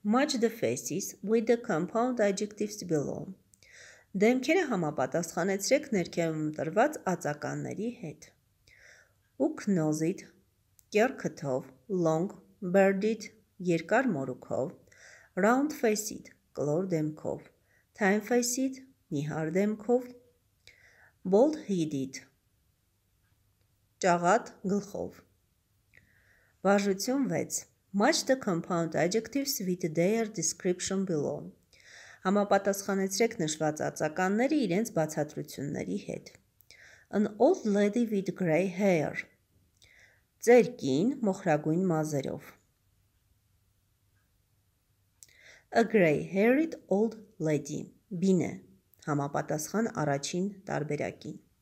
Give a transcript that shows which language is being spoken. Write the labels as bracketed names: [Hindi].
[English] Match the faces with the compound adjectives below. [Armenian] Դեմքերը համապատասխանեցրեք ներքևում տրված ածականների հետ. [English] Hook nosed, կեռքթով, long, bearded, [Armenian] երկար մորուքով, [English] round faced, [Armenian] կլոր դեմքով, [English] time faced, [Armenian] նիհար դեմքով, [English] bald headed, [Armenian] ճաղատ գլխով. Վարժություն 6. [English] Match the compound adjectives with their description below. [Armenian] Համապատասխանեցրեք նշված ածականները իրենց բացատրությունների հետ. [English] An old lady with grey hair. [Armenian] Ձեր կին մոխրագույն մազերով. [English] A grey-haired old lady. [Armenian] Բին է, համապատասխան առաջին տարբերակին.